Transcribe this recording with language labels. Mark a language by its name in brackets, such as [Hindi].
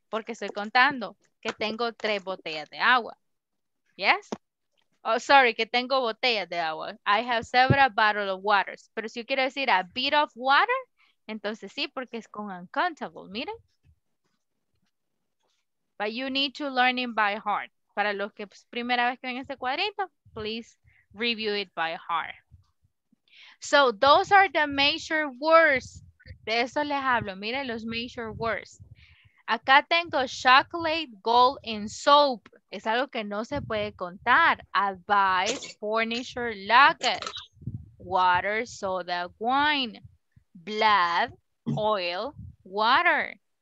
[Spanish] Porque estoy contando que tengo tres botellas de agua. Yes? [English] Oh, sorry, [Spanish] que tengo botellas de agua. [English] I have several bottles of water. [Spanish] Pero si yo quiero decir [English] a bit of water, [Spanish] entonces sí, porque es con uncountable. Miren. [English] But you need to learn it by heart. [Spanish] Para los que pues, primera vez que ven este cuadrito, [English] please review it by heart. So those are the major words. [Spanish] De eso les hablo. Miren los major words. Acá tengo [English] chocolate, gold, and soap. [Spanish] Es algo que no se puede contar. [English] Advice, furniture, luggage, water, soda, wine, blood, oil, water.